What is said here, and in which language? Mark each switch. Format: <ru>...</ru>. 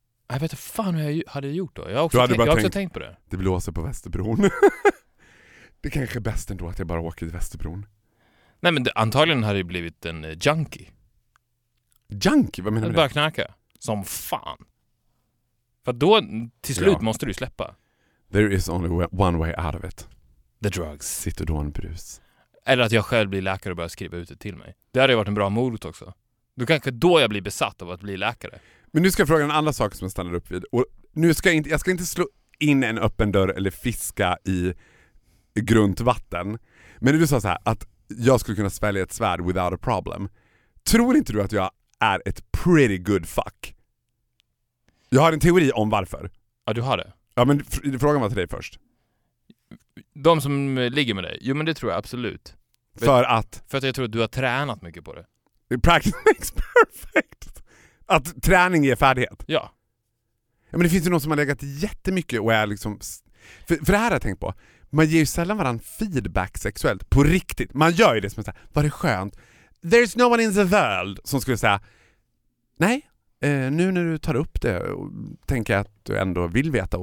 <sv>Jag vet inte fan hur jag hade gjort då. Jag har också tänkt på det. Det blåser på Västerbron. Det kanske är bäst ändå att jag bara åker till Västerbron. Nej, men antagligen hade det blivit en junkie. Junkie? Vad menar du? Bara knarka. Som fan. För då, till slut, ja, måste du släppa.</sv> <en>There is only one way out of it. The drugs. Citodonbrus.</en> <sv>Eller att jag själv blir läkare och börjar skriva ut det till mig. Det hade ju varit en bra morot också. Då kanske då jag blir besatt av att bli läkare. Men nu ska jag fråga en annan sak som jag stannar upp vid. Och nu ska jag ska inte slå in en öppen dörr eller fiska i grunt vatten. Men du sa så här, att jag skulle kunna svälja ett svärd</sv> <en>without a problem.</en> <sv>Tror inte du att jag är ett</sv> <en>pretty good fuck?</en> <sv>Jag har en teori om varför. Ja, du har det. Ja, men frågan var till dig först. De som ligger med dig. Jo, men det tror jag absolut. För att jag tror att du har tränat mycket på det.</sv> <en>Practice makes perfect.</en> <sv>Att träning ger färdighet. Ja. Ja, men det finns ju någon som har legat jättemycket och är liksom... För det här har jag tänkt på. Man ger ju sällan varann feedback sexuellt. På riktigt. Man gör ju det som att säga, var det skönt?</sv> <en>There's no one in the world</en> <sv>som skulle säga, nej, nu när du tar upp det och tänker att du ändå vill veta.</sv>